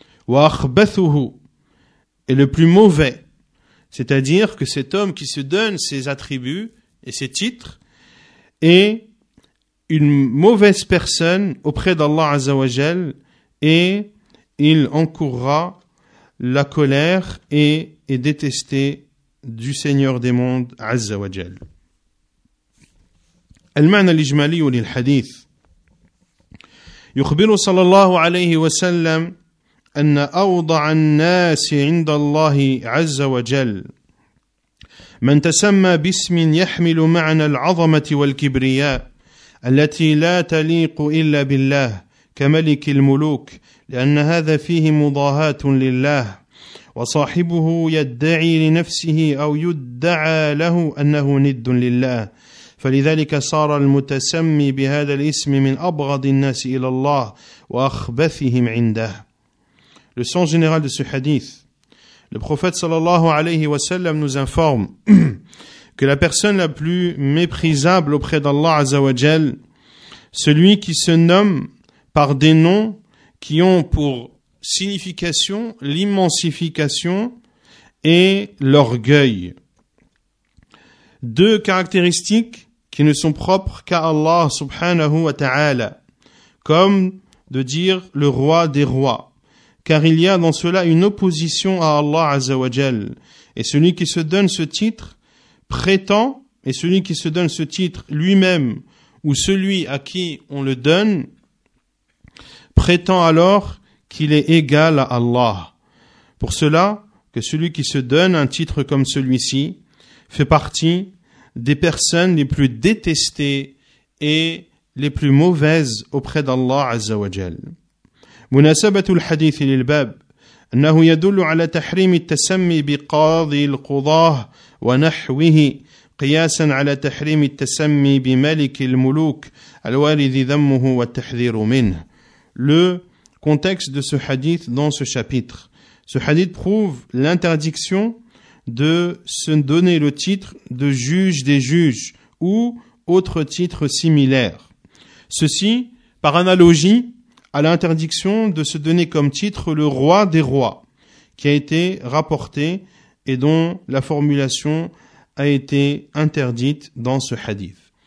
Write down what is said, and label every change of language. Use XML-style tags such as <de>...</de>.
<ar>وَأَخْبَثُهُ</ar> <fr>est le plus mauvais, c'est-à-dire que cet homme qui se donne ses attributs et ses titres est une mauvaise personne auprès d'Allah Azza wa Jal et il encourra la colère et est détesté du Seigneur des mondes Azza wa Jal.</fr> <ar>المعنى الإجمالي للحديث يخبر صلى الله عليه وسلم أن أوضع الناس عند الله عز وجل من تسمى باسم يحمل معنى العظمة والكبرياء التي لا تليق إلا بالله كملك الملوك لأن هذا فيه مضاهاة لله وصاحبه يدعي لنفسه أو يدعى له أنه ند لله فلذلك صار المتسمي بهذا الاسم من أبغض الناس إلى الله وأخبثهم عنده.</ar> <fr>Le sens général de ce hadith, le prophète sallallahu alayhi wa sallam nous informe que la personne la plus méprisable auprès d'Allah Azza wa Jal, celui qui se nomme par des noms qui ont pour signification l'immensification et l'orgueil. Deux caractéristiques qui ne sont propres qu'à Allah subhanahu wa ta'ala, comme de dire le roi des rois, car il y a dans cela une opposition à Allah azza wa jal, et celui qui se donne ce titre prétend, et celui qui se donne ce titre lui-même, ou celui à qui on le donne, prétend alors qu'il est égal à Allah. Pour cela, que celui qui se donne un titre comme celui-ci fait partie des personnes les plus détestées et les plus mauvaises auprès d'Allah Azza wa Jal.</fr> <ar>مناسبة الحديث للباب أنه يدل على تحريم التسمي بقاضي القضاة ونحوه قياسا على تحريم التسمي بملك الملوك الوارد ذمه والتحذير منه.</ar> <fr>Le contexte de ce hadith dans ce chapitre. Ce hadith prouve l'interdiction de se donner le titre de juge des juges ou autre titre similaire. Ceci par analogie à l'interdiction de se donner comme titre le roi des rois qui a été rapporté et dont la formulation a été interdite dans ce hadith.</fr>